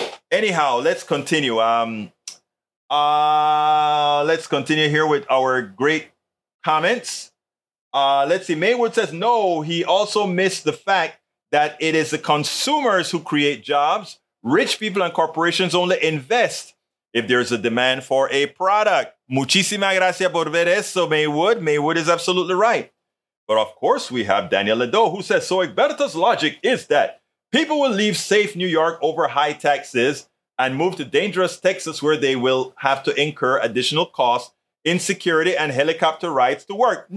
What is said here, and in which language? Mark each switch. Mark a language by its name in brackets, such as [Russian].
[English] Anyhow, let's continue. Let's continue here with our great comments. Let's see. Maywood says, no, he also missed the fact that it is the consumers who create jobs. Rich people and corporations only invest if there's a demand for a product. [Spanish] Muchísimas gracias por ver eso, Maywood. [English] Maywood is absolutely right. But of course, we have Daniel Ledo, who says, so Egberto's logic is that people will leave safe New York over high taxes and move to dangerous Texas, where they will have to incur additional costs, insecurity, and helicopter rides to work.